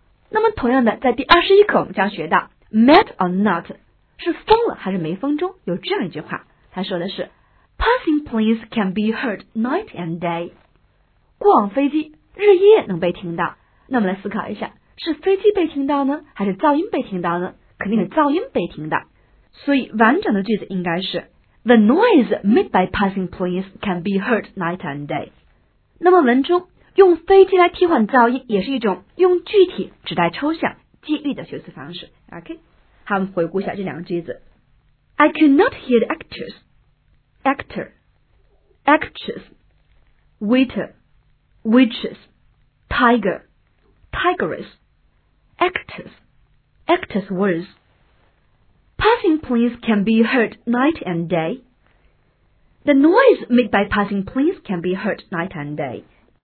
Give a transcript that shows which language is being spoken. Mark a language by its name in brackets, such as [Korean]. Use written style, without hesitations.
[Chinese] 那么同样的，在第21课我们将学到 mad or not 是疯了还是没疯中有这样一句话，他说的是 [English] Passing planes can be heard night and day. [Chinese] 过往飞机日夜能被听到。那我们来思考一下，是飞机被听到呢，还是噪音被听到呢？肯定是噪音被听到。所以完整的句子应该是 [English] The noise made by passing planes can be heard night and day. [Chinese] 那么文中用飞机来替换噪音，也是一种用具体指代抽象借喻的修辞方式。 OK, 好，我们回顾一下这两个句子。 [English] I could not hear the actors. Actor, actress, waiter, waitress, tiger, tigress, actors, actors words. Passing planes can be heard night and day. The noise made by passing planes can be heard night and day.